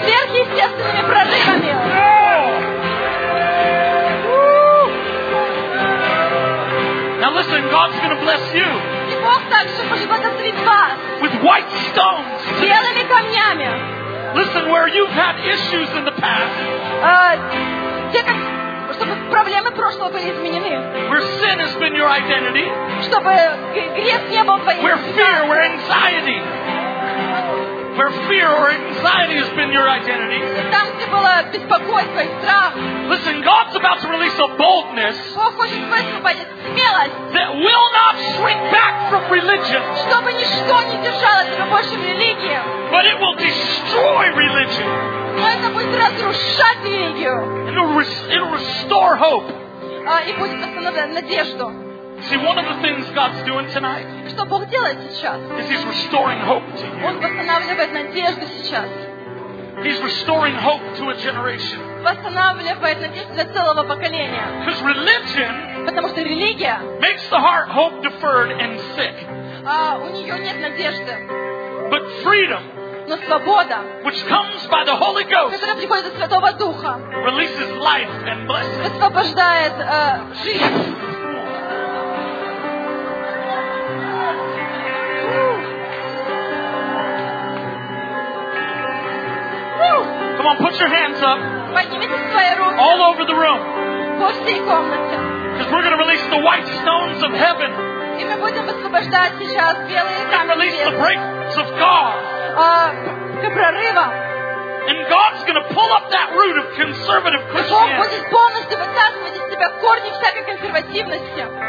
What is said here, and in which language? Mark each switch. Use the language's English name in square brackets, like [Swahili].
[Russian] Сверхъестественными прорывами. [English] Now listen, God's going to bless you. [Russian] И Бог также может благословить вас. [English] With white stones. [Russian] Белыми камнями. [English] Listen, where you've had issues in the past. [Russian] Те, как, чтобы проблемы прошлого были изменены. [English] Where sin has been your identity. [Russian] Чтобы грех не был твоим. [English] Where fear, where anxiety. Where fear or anxiety has been your identity. [Russian] Там, где было беспокойство и страх. [English] Listen, God's about to release a boldness. [Russian] Бог хочет высвободить смелость. [English] That will not shrink back from religion. [Russian] Чтобы ничто не держало тебя больше в религии. [English] But it will destroy religion. [Russian] Но это будет разрушать религию. [English] And it'll restore hope. [Russian] И будет восстановлять надежду. [English] See, one of the things God's doing tonight is He's restoring hope to you. [Russian] Он восстанавливает надежду сейчас. [English] He's restoring hope to a generation. [Russian] Восстанавливает надежду для целого поколения. [English] Because religion, [Russian] потому что религия, [English] makes the heart hope deferred and sick. [Russian] У нее нет надежды. [English] But freedom, [Russian] но свобода, [English] which comes by the Holy Ghost, [Russian] которая приходит от Святого Духа, [English] releases life and blessing. [Russian] Высвобождает жизнь. [English] Come on, put your hands up. [Russian] Поднимите свои руки. [English] All over the room. [Russian] По всей комнате. [English] Because we're going to release the white stones of heaven. [Russian] И мы будем высвобождать сейчас белые камни. [English] We're going to release the breakthroughs of God. [Russian] Прорыва. [English] And God's going to pull up that root of conservative Christianity. [Russian] Бог будет полностью высасывать из тебя корни всякой консервативности.